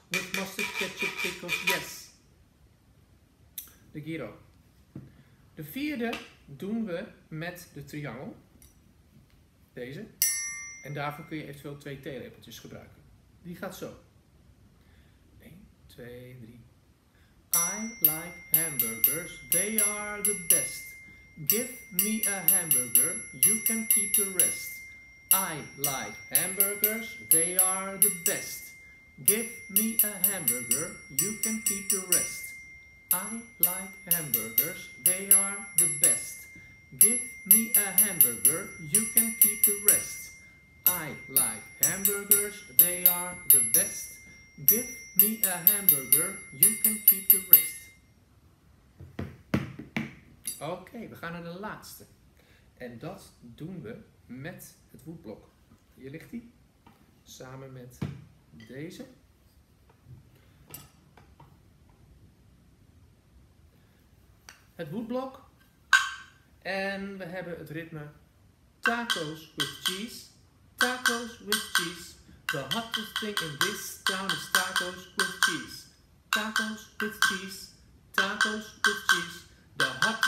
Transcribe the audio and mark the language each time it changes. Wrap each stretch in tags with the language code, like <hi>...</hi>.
<en>With mustard, ketchup, pickles, yes. De gyro.</en> <nl>De vierde doen we met de triangel. Deze. En daarvoor kun je eventueel twee theelepeltjes gebruiken. Die gaat zo. 2, 3.</nl> <en>I like hamburgers, they are the best. Give me a hamburger, you can keep the rest. I like hamburgers, they are the best. Give me a hamburger, you can keep the rest. I like hamburgers, they are the best. Give me a hamburger, you can keep the rest. I like hamburgers, they are the best. Give me a hamburger, you can keep the rest.</en> <nl>Oké, we gaan naar de laatste. En dat doen we met het woedblok. Hier ligt die. Samen met deze. Het woedblok. En we hebben het ritme</nl> <en>tacos with cheese. Tacos with cheese. The hottest thing in this town is tacos with cheese. Tacos with cheese. Tacos with cheese. The</en>